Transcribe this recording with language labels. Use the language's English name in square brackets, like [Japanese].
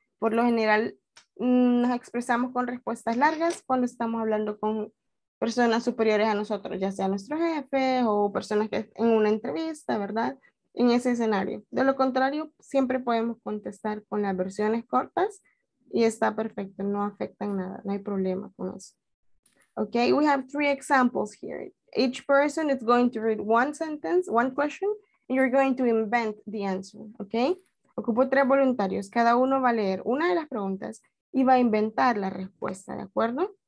[Spanish] Por lo general, nos expresamos con respuestas largas cuando estamos hablando con personas superiores a nosotros, ya sea nuestro jefe o personas que en una entrevista, ¿verdad? En ese escenario. De lo contrario, siempre podemos contestar con las versiones cortas y está perfecto, no afecta en nada, no hay problema con eso. [English] Okay, we have 3 examples here. Each person is going to read one sentence, one question, and you're going to invent the answer, okay? [Spanish] Ocupo 3 voluntarios. Cada uno va a leer una de las preguntas y va a inventar la respuesta, ¿de acuerdo?